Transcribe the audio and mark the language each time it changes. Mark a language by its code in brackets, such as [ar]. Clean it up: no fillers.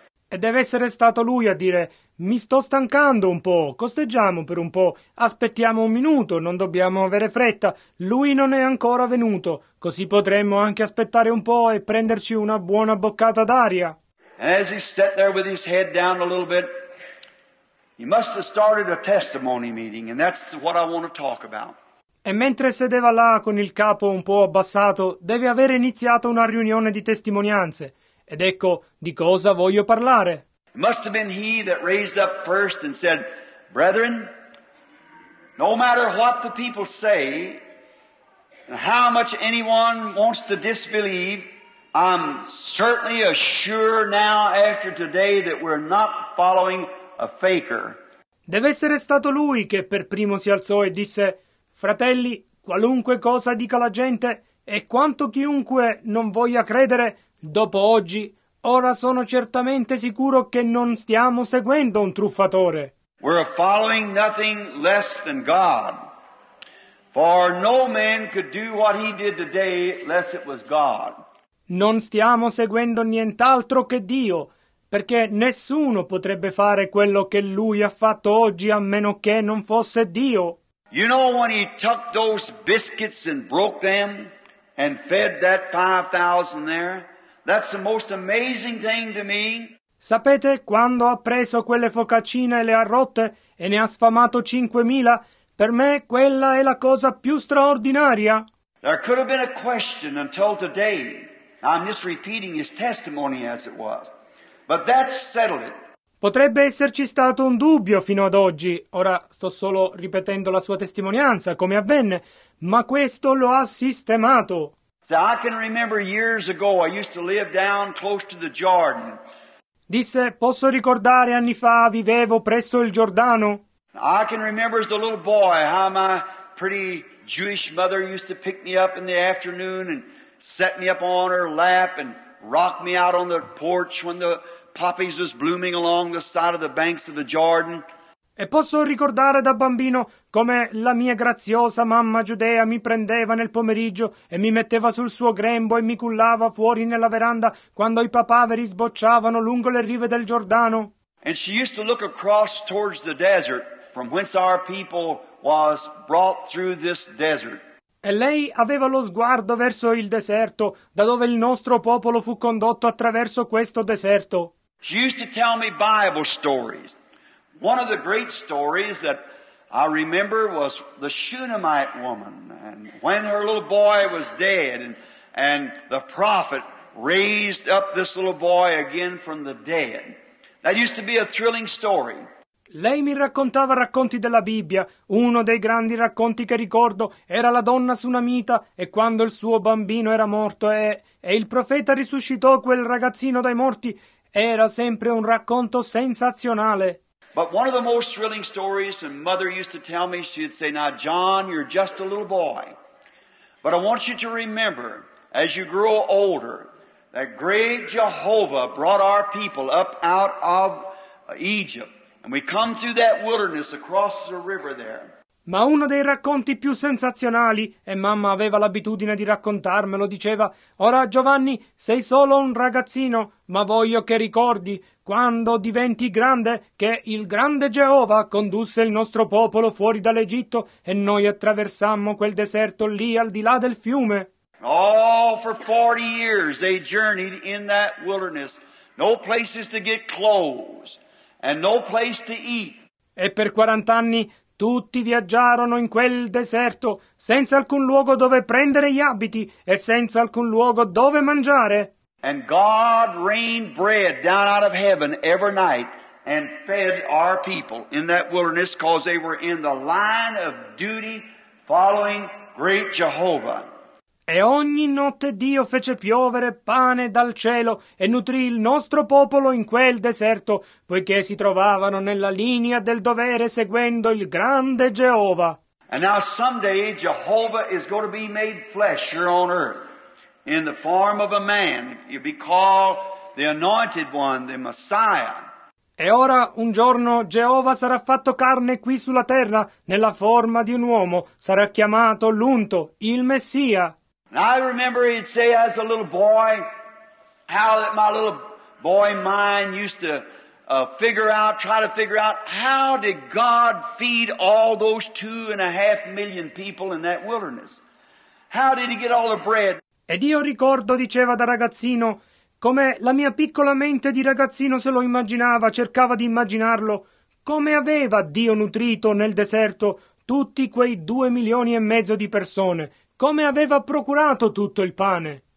[it] E deve essere stato lui a dire, mi sto stancando un po', costeggiamo per un po', aspettiamo un minuto, non dobbiamo avere fretta. Lui non è ancora venuto, così potremmo anche aspettare un po' e prenderci una buona boccata d'aria. [en] And as he sat there with his head down a little bit, he must have started a testimony meeting, and that's what I want to talk about. [it] E mentre sedeva là con il capo un po' abbassato, deve avere iniziato una riunione di testimonianze. Ed ecco di cosa voglio parlare. [en] It must have been he that raised up first and said, brethren, no matter what the people say, and how much anyone wants to disbelieve, I'm certainly sure now after today that we're not following a faker. [it] Deve essere stato lui che per primo si alzò e disse, fratelli, qualunque cosa dica la gente, e quanto chiunque non voglia credere, dopo oggi, ora sono certamente sicuro che non stiamo seguendo un truffatore. [en] We're following nothing less than God. For no man could do what he did today unless it was God. [it] Non stiamo seguendo nient'altro che Dio, perché nessuno potrebbe fare quello che lui ha fatto oggi a meno che non fosse Dio. [en] You know when he took those biscuits and broke them and fed that 5,000 there? That's the most amazing thing to me. [it] Sapete quando ha preso quelle focaccine e le ha rotte e ne ha sfamato 5,000? Per me quella è la cosa più straordinaria. [en] There could have been a question until today. I'm just repeating his testimony as it was. But that settled it. [it] Potrebbe esserci stato un dubbio fino ad oggi. Ora sto solo ripetendo la sua testimonianza, come avvenne. Ma questo lo ha sistemato. [en] So I can remember years ago, I used to live down close to the Jordan. [it] Disse, posso ricordare anni fa, vivevo presso il Giordano. [en] I can remember as a little boy how my pretty Jewish mother used to pick me up in the afternoon and set me up on her lap and rock me out on the porch when the poppies was blooming along the side of the banks of the Jordan. [it] E posso ricordare da bambino come la mia graziosa mamma giudea mi prendeva nel pomeriggio e mi metteva sul suo grembo e mi cullava fuori nella veranda quando i papaveri sbocciavano lungo le rive del Giordano. [en] And she used to look across towards the desert from whence our people was brought through this desert. [it] E lei aveva lo sguardo verso il deserto, da dove il nostro popolo fu condotto attraverso questo deserto. [en] She used to tell me Bible stories. One of the great stories that I remember was the Shunammite woman, and when her little boy was dead, and the prophet raised up this little boy again from the dead. That used to be a thrilling story. [it] Lei mi raccontava racconti della Bibbia. Uno dei grandi racconti che ricordo era la donna sunamita e quando il suo bambino era morto e il profeta risuscitò quel ragazzino dai morti. Era sempre un racconto sensazionale. [en] But one of the most thrilling stories, and mother used to tell me, she'd say, now John, you're just a little boy, but I want you to remember, as you grow older, that great Jehovah brought our people up out of Egypt. And we come through that wilderness across the river there. [it] Ma uno dei racconti più sensazionali, e mamma aveva l'abitudine di raccontarmelo, diceva, ora Giovanni, sei solo un ragazzino, ma voglio che ricordi, quando diventi grande, che il grande Geova condusse il nostro popolo fuori dall'Egitto e noi attraversammo quel deserto lì al di là del fiume. [en] Oh, for 40 years they journeyed in that wilderness. No places to get clothes. And no place to eat. [it] E per 40 anni tutti viaggiarono in quel deserto senza alcun luogo dove prendere gli abiti e senza alcun luogo dove mangiare. [en] And God rained bread down out of heaven every night and fed our people in that wilderness because they were in the line of duty following great Jehovah. [it] E ogni notte Dio fece piovere pane dal cielo e nutrì il nostro popolo in quel deserto, poiché si trovavano nella linea del dovere seguendo il grande Geova. [en] And now someday Jehovah is going to be made flesh here on earth in the form of a man. He'll be called the Anointed One, the Messiah. [it] E ora un giorno Geova sarà fatto carne qui sulla terra nella forma di un uomo. Sarà chiamato l'Unto, il Messia. [en] I remember he'd say as a little boy how that my little boy mind used to try to figure out how did God feed all those 2.5 million people in that wilderness? How did he get all the bread? [it] Ed io ricordo, diceva da ragazzino, come la mia piccola mente di ragazzino se lo immaginava, cercava di immaginarlo, come aveva Dio nutrito nel deserto tutti quei 2.5 milioni di persone. Come aveva procurato tutto il pane?